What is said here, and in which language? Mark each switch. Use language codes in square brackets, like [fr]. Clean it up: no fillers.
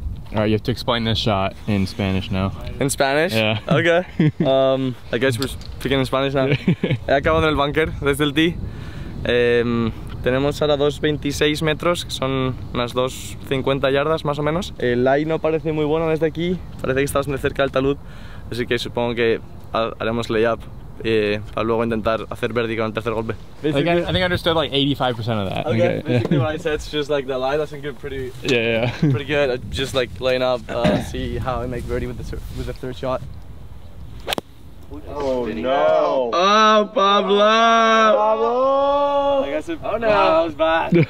[en] All right, you have to explain this shot in Spanish now. In Spanish? Yeah. Okay. I guess we're speaking in Spanish now. [es] He acabado en el bunker desde el tee. Tenemos ahora 226 metros, que son unas 250 yardas más o menos. El lie no parece muy bueno desde aquí. Parece que estás de cerca del talud. Así que supongo que haremos layup para luego intentar hacer birdie con el tercer golpe. [en] I think I understood like 85% of that. Okay. Basically what I said, it's just like the lie doesn't get pretty, yeah. pretty good. Just like laying up, see how I make birdie with the third shot. Oh no! Oh, Pablo! Pablo! I guess it, oh no, wow, that was bad.